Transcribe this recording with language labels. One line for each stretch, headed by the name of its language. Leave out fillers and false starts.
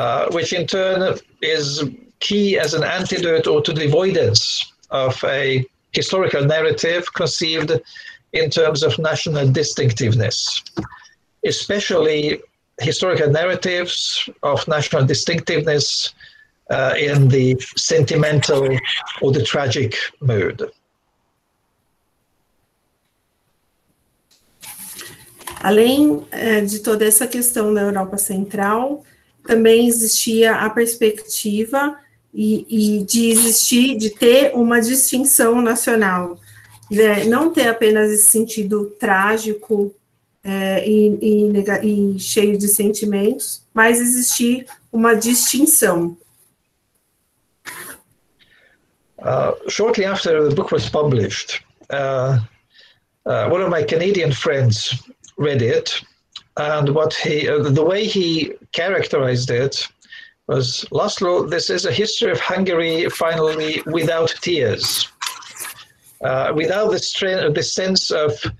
English: which in turn is key as an antidote or to the avoidance of a historical narrative conceived in terms of national distinctiveness, especially historical narratives of national distinctiveness in the sentimental or the tragic mood.
Portuguese: Além de toda essa questão da Europa Central, também existia a perspectiva e de existir, de ter uma distinção nacional, né? Não ter apenas esse sentido trágico e cheio de sentimentos, mas existir uma distinção.
English: Shortly after the book was published, one of my Canadian friends read it, and the way he characterized it was, László, this is a history of Hungary, finally, without tears, without the sense of